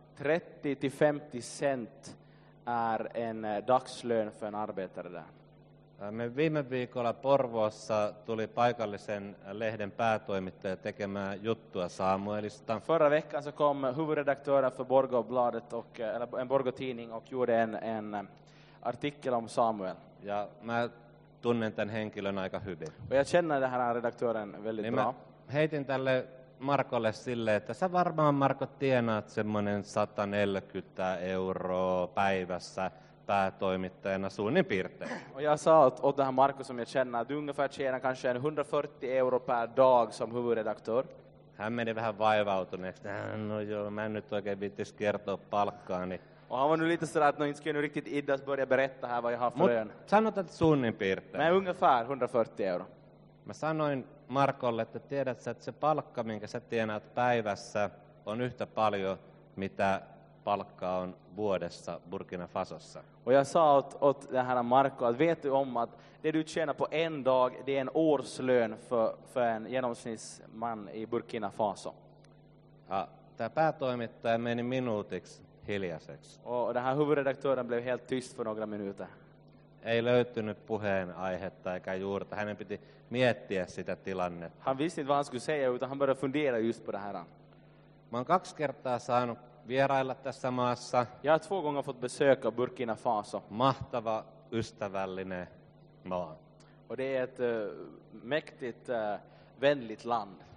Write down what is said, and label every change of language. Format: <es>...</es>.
<sv>30-50 cent är en dagslön för en arbetare där.</sv> <fi>Me viime viikolla Porvoossa tuli paikallisen lehden päätoimittaja tekemään juttua Samuelista.</fi> <sv>Förra veckan så kom huvudredaktören för Borgobladet och eller en Borgotidning och gjorde en artikel om Samuel.</sv> <fi>Ja mä tunnen tämän henkilön aika hyvin.</fi> <sv>Och jag känner den här redaktören väldigt bra.</sv> <fi>Heitin tälle Markolle sille, että sä varmaan, Marko, tienaat semmoinen 140 euroa päivässä päätoimittajana suunnin piirtein.</fi> <sv>Ja sa åt den här Marko som jag känner att du ungefär tjänar kanske 140 euro per dag som huvudredaktör.</sv> <fi>Hän meni vähän vaivautuneeksi. No joo, mä en nyt oikein viittis kertoa palkkaani.</fi> <sv>Och han var nu lite sådär att nu inte ska jag riktigt iddas börja berätta här vad jag har för lön.</sv> <fi>Mut sanotaan, että suunnin piirtein.</fi> <sv>Men ungefär 140 euro.</sv> <fi>Mä sanoin Markolle, että tiedät sä, että se palkka, minkä sä tienaat päivässä, on yhtä paljon, mitä palkka on vuodessa Burkina Fasossa.</fi> <sv>Och jag sa åt det här Marko, att vet du om att det du tjänar på en dag, det är en årslön för en genomsnittsman i Burkina Faso.</sv> <fi>Ja, tämä päätoimittaja meni minuutiksi hiljaiseksi.</fi> <sv>Och den här huvudredaktören blev helt tyst för några minuter.</sv> <fi>Ei löytynyt puheen aihetta eikä juurta. Hänen piti miettiä sitä tilannetta.</fi> <sv>Han visste inte vad han skulle säga, utan han började fundera just på det här.</sv> <fi>Mä oon 2 kertaa saanut vierailla tässä maassa.</fi> <sv>Ja 2 gånger fått besöka Burkina Faso.</sv> <fi>Mahtava, ystävällinen maa.</fi> <sv>Och det är ett mäktigt, vänligt land.</sv>